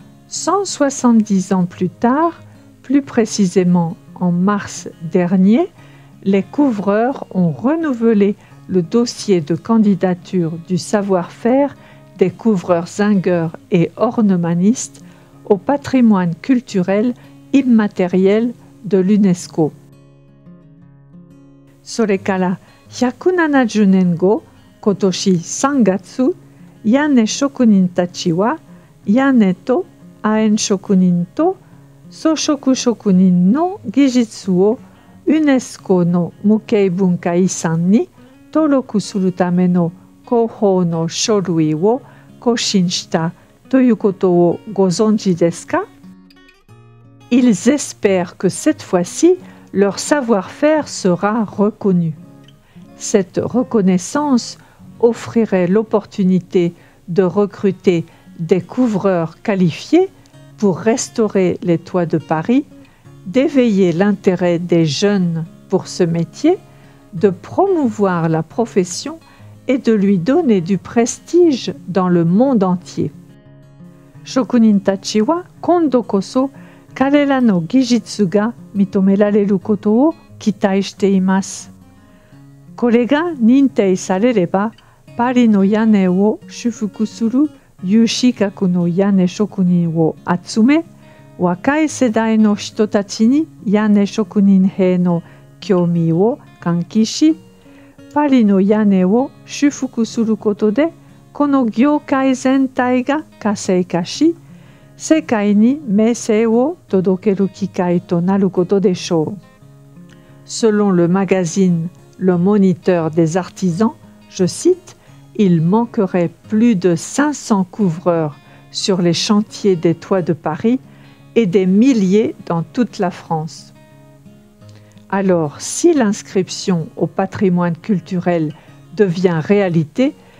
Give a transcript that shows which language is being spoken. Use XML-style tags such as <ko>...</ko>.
<fr>170 ans plus tard, plus précisément en mars dernier, les couvreurs ont renouvelé le dossier de candidature du savoir-faire des couvreurs zingueurs et ornemanistes au patrimoine culturel immatériel de l'UNESCO.</fr> <ja>それから170年後、今年3月、屋根職人たちは屋根と亜鉛職人と装飾職人の技術をユネスコの無形文化遺産に登録するための広報の書類を更新したということをご存知ですか?</ja> <fr>Ils espèrent que cette fois-ci,leur savoir-faire sera reconnu. Cette reconnaissance offrirait l'opportunité de recruter des couvreurs qualifiés pour restaurer les toits de Paris, d'éveiller l'intérêt des jeunes pour ce métier, de promouvoir la profession et de lui donner du prestige dans le monde entier.</fr> <ja>Shokunin tachi wa kondo koso彼らの技術が認められることを期待しています。これが認定されれば、パリの屋根を修復する有資格の屋根職人を集め、若い世代の人たちに屋根職人兵の興味を喚起し、パリの屋根を修復することで、この業界全体が活性化し、世界に名声を届ける機会となることでしょう。</ja> <fr>Selon le magazine Le Moniteur des Artisans, je cite, il manquerait plus de 500 couvreurs sur les chantiers des toits de Paris et des milliers dans toute la France. Alors, si l'inscription au patrimoine culturel devient réalité,</fr>